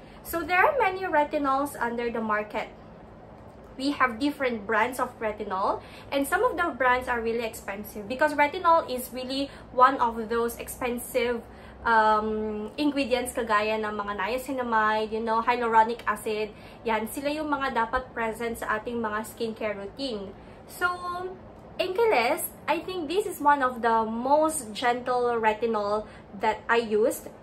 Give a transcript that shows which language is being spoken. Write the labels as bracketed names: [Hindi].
[English] So there are many retinols under the market. We have different brands of retinol, and some of the brands are really expensive because retinol is really one of those expensive ingredients [Filipino] kagaya ng mga [English] niacinamide, you know, hyaluronic acid. [Filipino] Yan, sila yung mga dapat present sa ating mga skincare routine. [English] So, Inkey, I think this is one of the most gentle retinol that I used.